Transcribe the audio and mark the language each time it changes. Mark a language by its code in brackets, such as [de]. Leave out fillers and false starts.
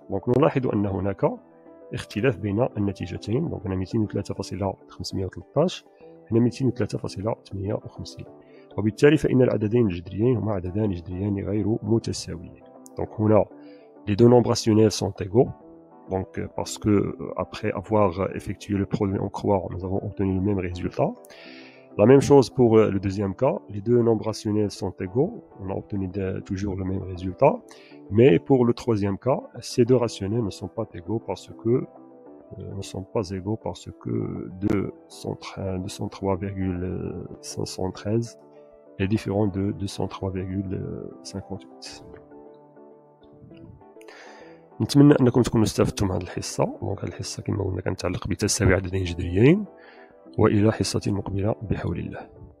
[ar] دونك نلاحظ ان هناك اختلاف بين النتيجتين. دونك هنا 203.513، هنا 203.58. وبالتالي فإن العددين الجذريين هما عددان جذريان غير متساويين. دونك هنا [fr] les deux nombres rationnels sont égaux. Donc parce que après avoir effectué le produit en croix, nous avons obtenu le même résultat. La même chose pour le deuxième cas, les deux nombres rationnels sont égaux, on a obtenu toujours le même résultat. Mais pour le troisième cas, ces deux rationnels ne sont pas égaux parce que ne sont pas égaux parce que 203,513 est différent de 203,58. [ar] نتمنى انكم تكونوا استفدتم هذه الحصه. دونك هذه الحصه كما قلنا كانت تتعلق بتساوي عددين جذريين. والى حصه مقبله بحول الله.